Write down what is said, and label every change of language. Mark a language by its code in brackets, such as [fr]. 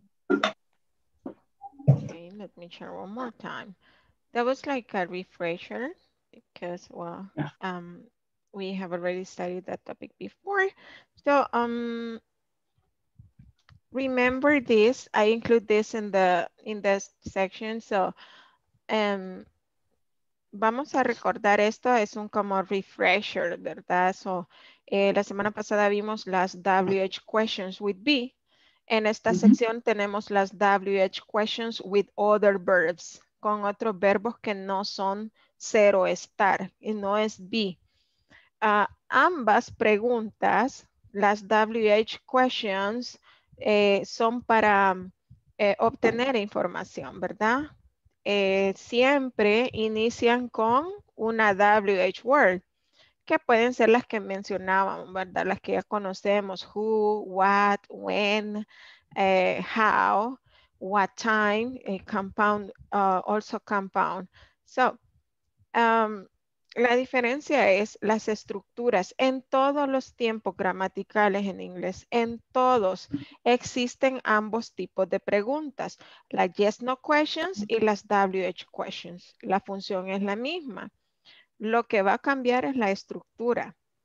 [en] Okay, let me share one more time. That was like a refresher because, well, yeah. We have already studied that topic before. So remember this, I include this in this section. [es] So vamos a recordar esto, es un como refresher, ¿verdad? So la semana pasada vimos las [en] WH questions with be. [es] En esta mm-hmm. sección tenemos las [en] WH questions with other verbs, [es] con otros verbos que no son ser o estar, y no es be. Ambas preguntas, las WH questions, son para obtener información, ¿verdad? Siempre inician con una WH word, que pueden ser las que mencionábamos, ¿verdad? Las que ya conocemos, [en] who, what, when, how, what time, compound, also compound. [es] So, la diferencia es las estructuras. En todos los tiempos gramaticales en inglés, en todos, existen ambos tipos de preguntas, las yes, no questions y las WH questions. La función es la misma. Lo que va a cambiar es la estructura.